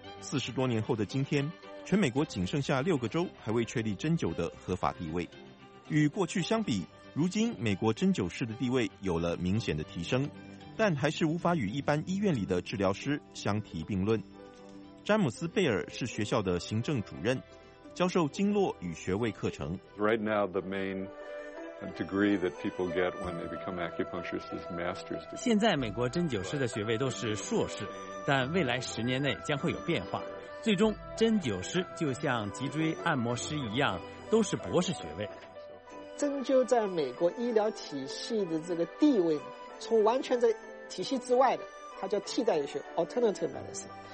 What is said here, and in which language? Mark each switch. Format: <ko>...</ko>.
<zh>40多年后的今天，全美国仅剩下6个州还未确立针灸的合法地位。与过去相比，如今美国针灸师的地位有了明显的提升，但还是无法与一般医院里的治疗师相提并论。詹姆斯·贝尔是学校的行政主任，教授经络与穴位课程。</zh> <en>Right now, the main degree that people get when they become acupuncturists is master's degree.</en> <zh>现在美国针灸师的学位都是硕士，但未来10年内将会有变化。最终，针灸师就像脊椎按摩师一样，都是博士学位。针灸在美国医疗体系的这个地位，从完全在体系之外的，它叫替代学 （alternative medicine）。</zh>